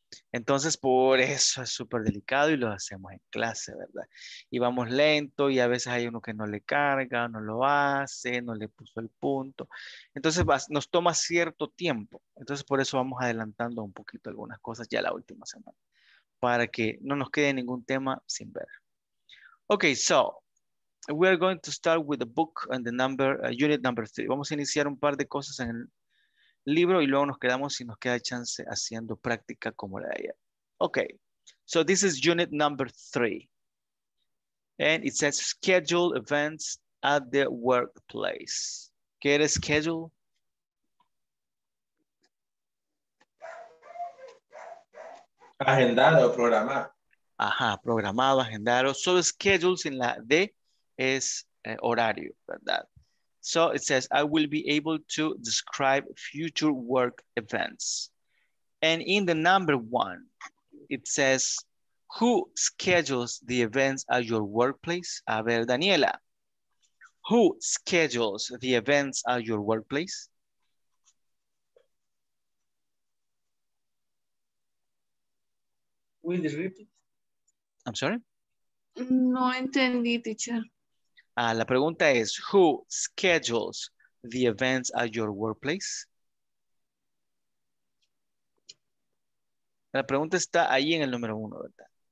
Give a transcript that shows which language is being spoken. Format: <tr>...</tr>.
<es>Entonces, por eso es súper delicado y lo hacemos en clase, ¿verdad? Y vamos lento y a veces hay uno que no le carga, no lo hace, no le puso el punto. Entonces, nos toma cierto tiempo. Entonces, por eso vamos adelantando un poquito algunas cosas ya la última semana. Para que no nos quede ningún tema sin ver.</es> <en>Ok, so, we are going to start with the book and the number, unit number 3.</en> <es>Vamos a iniciar un par de cosas en el libro y luego nos quedamos si nos queda chance haciendo práctica como la de ayer.</es> <en>Okay, so this is unit number 3. And it says schedule events at the workplace.</en> <es>¿Qué es schedule? Agendado, programado. Ajá, programado, agendado. So schedule sin la D es horario, ¿verdad?</es> <en>So it says, I will be able to describe future work events. And in the number one, it says, who schedules the events at your workplace? A ver, Daniela, who schedules the events at your workplace? Will you repeat? I'm sorry?</en> <es>No entendí, teacher. La pregunta es,</es> <en>who schedules the events at your workplace?</en> <es>La pregunta está ahí en el número uno, ¿verdad?</es>